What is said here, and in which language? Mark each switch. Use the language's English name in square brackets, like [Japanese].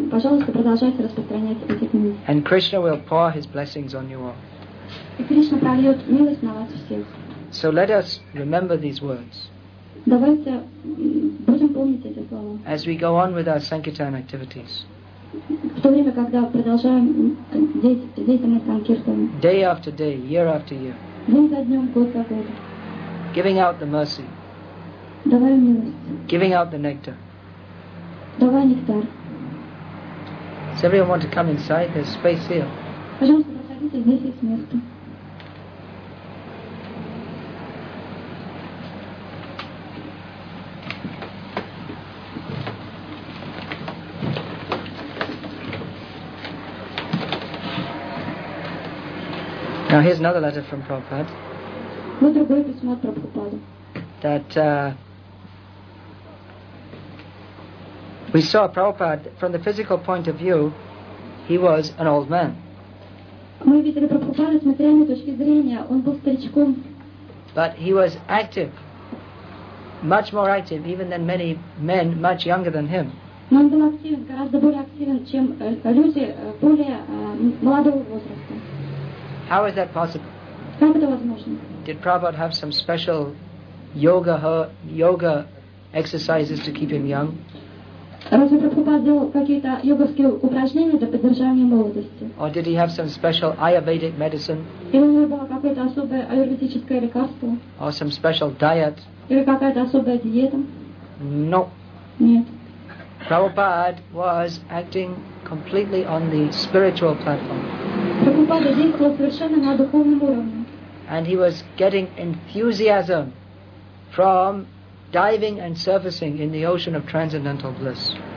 [English] And Krishna will pour his blessings on you all. So let us remember these words. [Russian] Давайте будем помнить эти слова. [English] As we go on with our Sankirtan activities. [Russian] В то время, когда продолжаем деятельность Санкиртана. [English] Day after day, year after year. [Russian] День за днем, год за годом. [English] Giving out the mercy. [Russian] Давай милость. [English] Giving out the nectar. [Russian] Давай нектар. [English] Does everyone want to come inside? There's space here. [Russian] Пожалуйста, проходите, здесь есть место. [English] Now here's another letter from Prabhupada. [Russian] Вот другое письмо от Прабхупады. [English] That we saw Prabhupada from the physical point of view, he was an old man. [Russian] Мы видели Прабхупаду с материальной точки зрения, он был старичком. [English] But he was active, much more active even than many men much younger than him. [Russian] Но он был активен, гораздо более активен, чем люди более молодого возраста. [English] How is that possible? [Russian] Как это возможно? [English] Did Prabhupada have some special yoga exercises to keep him young. [Russian] Разве Прабхупада делал какие-то йоговские упражнения для поддержания молодости? [English] Or did he have some special Ayurvedic medicine? [Russian] Или у него было какое-то особое аюрведическое лекарство? [English] Or some special diet? [Russian] Или какая-то особая диета? [English] No. [Russian] Нет. [English] Prabhupada was acting completely on the spiritual platform. [Russian] Прабхупада действовал совершенно на духовном уровне. [English] And he was getting enthusiasm from diving and surfacing in the ocean of transcendental bliss.